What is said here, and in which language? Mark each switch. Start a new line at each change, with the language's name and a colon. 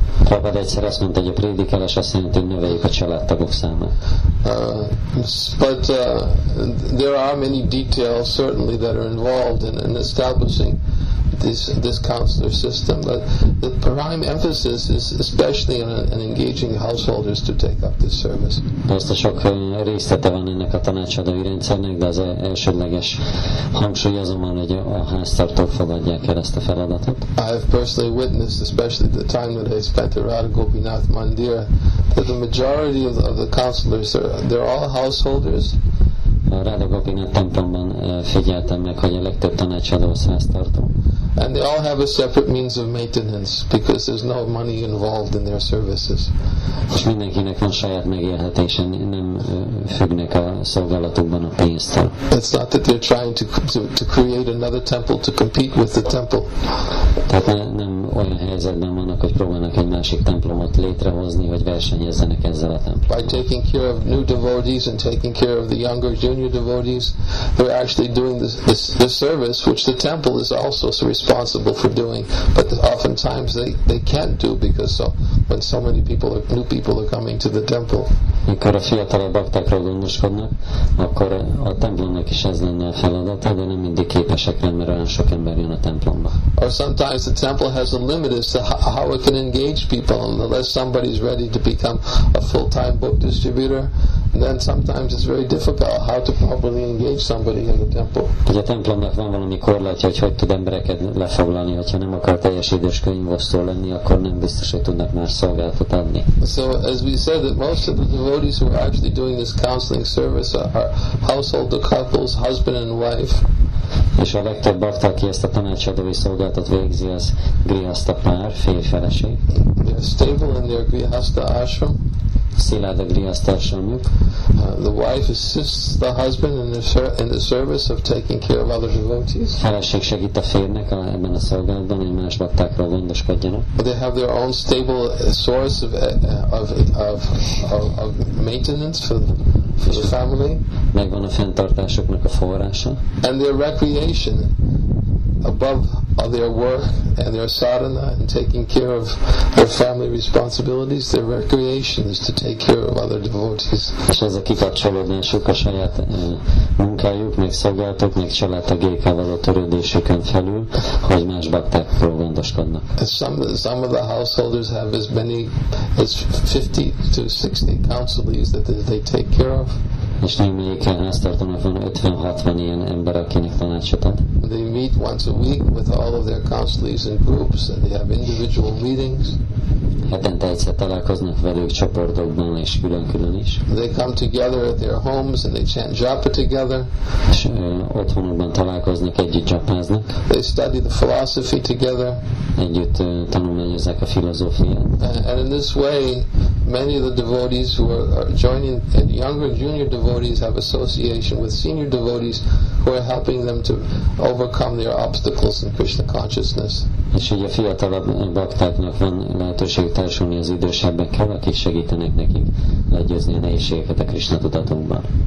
Hungarian: Prabhupada egyszer azt mondta, hogy a prédikálás azt jelenti, hogy növeljük a családtagok számát.
English: But there are many details certainly that are involved in establishing this counselor system, but the prime emphasis is especially in engaging householders to take up this service.
Hungarian: Persze sok részlete van ennek a tanácsadói rendszernek, de az elsődleges hangsúly azonban, hogy a háztartók fogadják el ezt a feladatot.
English: I have personally witnessed, especially the time that I spent at Radha Gopinath Mandir, that the majority of the counselors they're all householders.
Hungarian: A Radha Gopinath templomban figyeltem meg, hogy a legtöbb tanácsadó az háztartó.
English: And they all have a separate means of maintenance because there's no money involved in their services.
Hungarian: És mindenkinek van saját megélhetése, nem függnek a szolgálatukban a pénztől.
English: It's not that they're trying to create another temple to compete with the temple.
Hungarian: Tehát nem olyan helyzetben vannak, hogy próbálnak egy másik templomot létrehozni, hogy versenyezzenek ezzel a templomot.
English: By taking care of new devotees and taking care of the younger junior devotees, they're actually doing the service which the temple is also responsible for doing, but oftentimes they can't do because so when so many people are new people are coming to the temple.
Hungarian: Mikor a fiatalabb baktákról gondoskodnak, akkor a templomnak is ez lenne a feladata, de nem mindig képesek rá, mert olyan sok ember jön a templomba.
English: Or sometimes the temple has a limit as to how it can engage people, unless somebody is ready to become a full-time book distributor. And then sometimes it's very difficult how to properly engage somebody in the temple.
Hungarian: Ugye a templomnak van valami korlátja, hogy tud embereket lefoglalni, hogyha nem akar teljes idős könyvosztó lenni, akkor nem biztos, hogy tudnak már szolgálatot adni.
English: So as we said, that most of the devotees who are actually doing this counseling service are household couples, husband and wife.
Hungarian: És a legtöbb bakta, aki ezt a tanácsadói szolgálatot végzi, az grihasta pár, férj-feleség.
English: They're stable in their grihasta ashram. The wife assists the husband in the service of taking care of other devotees.
Hungarian: Feleség segít a férjnek ebben a szolgálatban, hogy más baktákról gondoskodjanak.
English: They have their own stable source of maintenance for the family.
Hungarian: Megvan a fenntartásuknak a forrása.
English: And their recreation above all their work and their sadhana and taking care of their family responsibilities, their recreation is to take care of other devotees.
Hungarian: És ez a kikapcsolódásuk a saját munkájuk, meg szolgálatok, meg családtagjaikkal való törődésükön felül, hogy más baktákról gondoskodnak.
English: Some of the householders have as many as 50 to 60 counselees that they take care of.
Hungarian: És némelyik háztartónak van 50-60 ilyen ember, akinek tanácsot ad.
English: They meet once a week with all of their counselees in groups, and they have individual meetings.
Hungarian: hetente egyszer találkoznak velük csoportokban és külön-külön is.
English: They come together at their homes and they chant japa together.
Hungarian: És otthonukban találkoznak, együtt japáznak.
English: They study the philosophy together.
Hungarian: Együtt tanulmányozzák a filozófiát.
English: And in this way, many of the devotees who are joining, the younger and junior devotees have association with senior devotees who are helping them to overcome their obstacles in Krishna consciousness.
Hungarian: És így a fiatalabb baktáknak van lehetőség társulni az idősebbekkel, akik segítenek nekik legyőzni a nehézségeket a Krishna tudatunkban.